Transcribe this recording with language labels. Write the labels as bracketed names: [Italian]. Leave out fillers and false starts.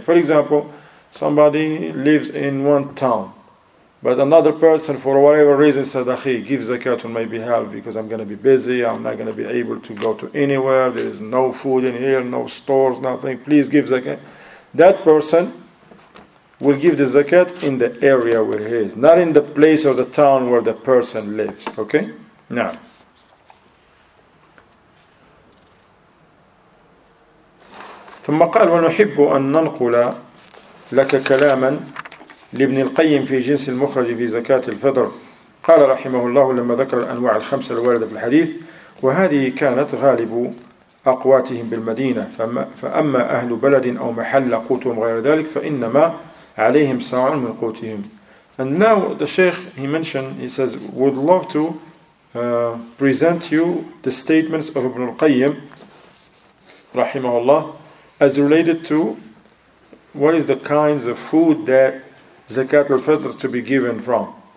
[English] For example, somebody lives in one town, but another person, for whatever reason, says, "Akhi, give zakat on my behalf because I'm going to be busy, I'm not going to be able to go to anywhere, there is no food in here, no stores, nothing, please give zakat." That person will give the zakat in the area where he is, not in the place or the town where the person lives. Okay? [Arabic] Now, ثم قال ونحب أن ننقل لك كلاما لابن القيم في جنس المخرج في زكاة الفطر قال رحمه الله لما ذكر الأنواع الخمسة الواردة في الحديث وهذه كانت غالب أقواتهم بالمدينة فأما أهل بلد أو محل قوتهم غير ذلك فإنما عليهم صاع من قوتهم. [English] And now the Sheikh, he mentioned, he says, would love to present you the statements of Ibn al-Qayyim رحمه الله as related to what is the kinds of food that zakat al-fitr to be given from.